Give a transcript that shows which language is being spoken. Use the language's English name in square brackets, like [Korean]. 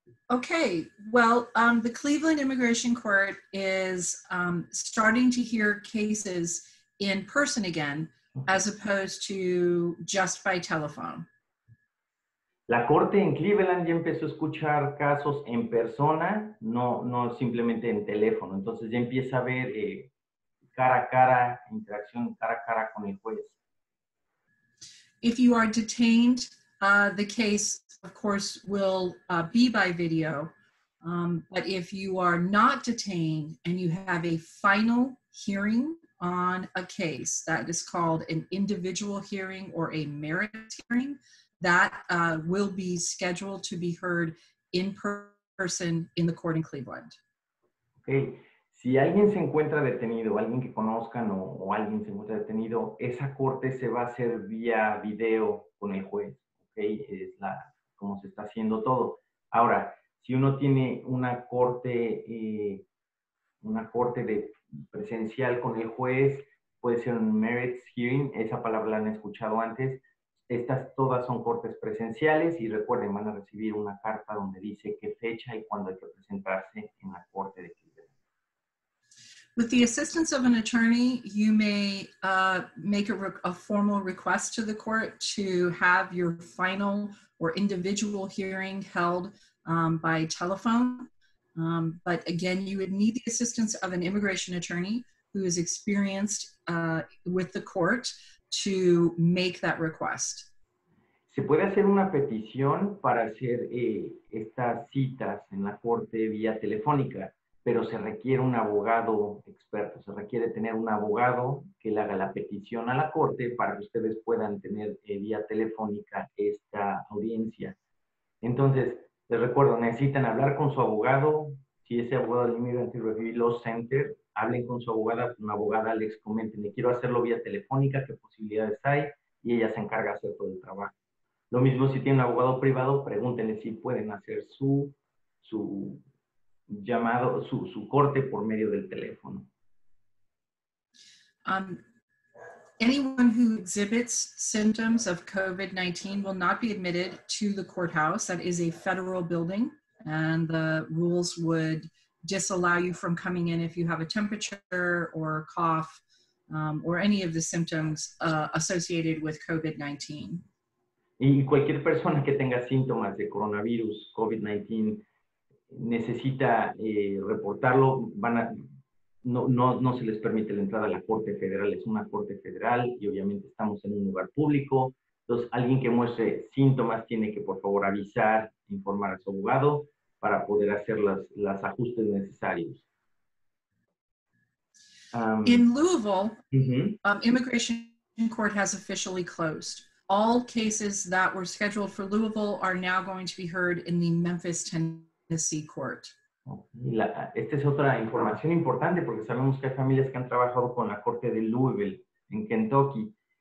[English] Okay, well, the Cleveland Immigration Court is starting to hear cases in person again, as opposed to just by telephone. [Spanish] La corte en Cleveland ya empezó a escuchar casos en persona, no simplemente en teléfono. Entonces ya empieza a haber cara a cara, interacción cara a cara con el juez. [English] If you are detained, the case, of course, will be by video. But if you are not detained and you have a final hearing on a case that is called an individual hearing or a merit hearing, that will be scheduled to be heard in person in the court in Cleveland. Okay. [Spanish] Si alguien se encuentra detenido, alguien que conozcan o alguien se encuentra detenido, esa corte se va a hacer vía video con el juez. Okay. Es la, como se está haciendo todo. Ahora, si uno tiene una corte de presencial con el juez, puede ser un merits hearing, esa palabra la han escuchado antes. Estas todas son cortes presenciales y recuerden, van a recibir una carta donde dice qué fecha y cuándo hay que presentarse en la corte de Cleveland. [English] With the assistance of an attorney, you may make a formal request to the court to have your final or individual hearing held by telephone. But again, you would need the assistance of an immigration attorney who is experienced with the court to make that request. [Spanish] Se puede hacer una petición para hacer estas citas en la corte vía telefónica, pero se requiere un abogado experto. Se requiere tener un abogado que le haga la petición a la corte para que ustedes puedan tener vía telefónica esta audiencia. Entonces, les recuerdo, necesitan hablar con su abogado. Si ese abogado del Immigrant and Refugee Law Center, hablen con su abogada, una abogada les comente, le quiero hacerlo vía telefónica, qué posibilidades hay, y ella se encarga de hacer todo el trabajo. Lo mismo si tiene un abogado privado, pregúntenle si pueden hacer su llamado, su corte por medio del teléfono. [English] Anyone who exhibits symptoms of COVID-19 will not be admitted to the courthouse. That is a federal building, and the rules would disallow you from coming in if you have a temperature or a cough or any of the symptoms associated with COVID-19. [Spanish] Y cualquier persona que tenga síntomas de coronavirus, COVID-19, necesita reportarlo, no se les permite la entrada a la Corte Federal, es una Corte Federal y obviamente estamos en un lugar público. Entonces, alguien que muestre síntomas tiene que, por favor, avisar, informar a su abogado para poder hacer las ajustes necesarios. [English] In Louisville, Immigration Court has officially closed. All cases that were scheduled for Louisville are now going to be heard in the Memphis, Tennessee Court. [Spanish] Esta es otra información importante porque sabemos que hay familias que han trabajado con la Corte de Louisville en Kentucky.